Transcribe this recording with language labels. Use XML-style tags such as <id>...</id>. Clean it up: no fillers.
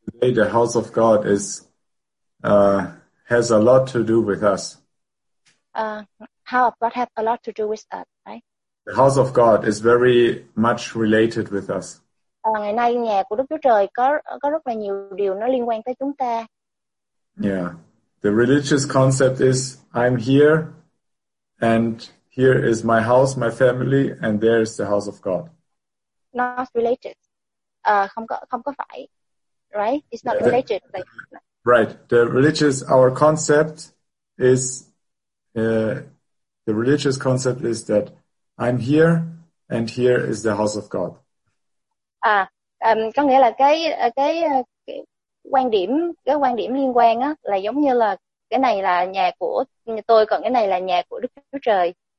<en>day, the house of God is has a lot to do with us. House of God have a lot to do with us, right? The house of God is very much related with us.</en> <vi>Ngày nay nhà của Đức Chúa Trời có rất là nhiều điều nó liên quan tới chúng ta.</vi> <en>Yeah. The religious concept is I'm here and here is my house, my family, and there is the house of God. Not related.</en> <vi>Không có phải.</vi> <en>Right? It's not related. Right. The religious, our concept is the religious concept is that I'm here and here is the house of God.</en> <vi>Có nghĩa là cái quan điểm liên quan á là giống như là cái này là nhà của tôi, còn cái này là nhà của Đức Chúa Trời.</vi>